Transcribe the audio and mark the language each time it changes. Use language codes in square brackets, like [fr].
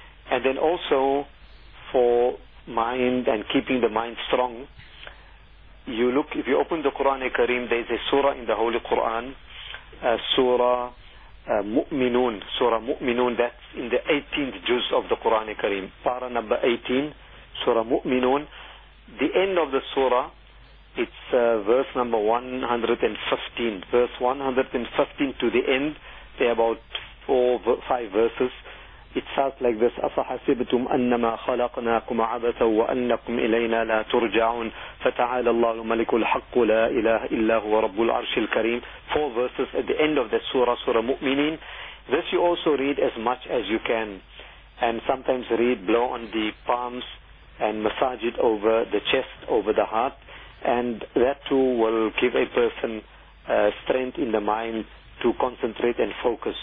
[en] And then also for mind and keeping the mind strong, you look, if you open the Quran al-Kareem, there is a surah in the Holy Quran, Surah Mu'minun, that's in the 18th juz of the Quran al-Kareem, para number 18, Surah Mu'minun. The end of the surah, it's verse number 115, verse 115 to the end, they are about 4 or 5 verses. It starts like this: [ar] أَفَحَسِبْتُمْ أَنَّمَا خَلَقْنَاكُمْ عَبَثًا وَأَنَّكُمْ إِلَيْنَا لَا تُرْجَعُونَ فَتَعَالَى اللَّهُ مَلِكُ الْحَقُّ لَا إِلَهَ إِلَّا هُوَ رَبُّ الْعَرْشِ الْكَرِيمِ. [en] 4 verses at the end of the surah, Surah Mu'minin. This you also read as much as you can, and sometimes read, blow on the palms and massage it over the chest, over the heart, and that too will give a person strength in the mind to concentrate and focus.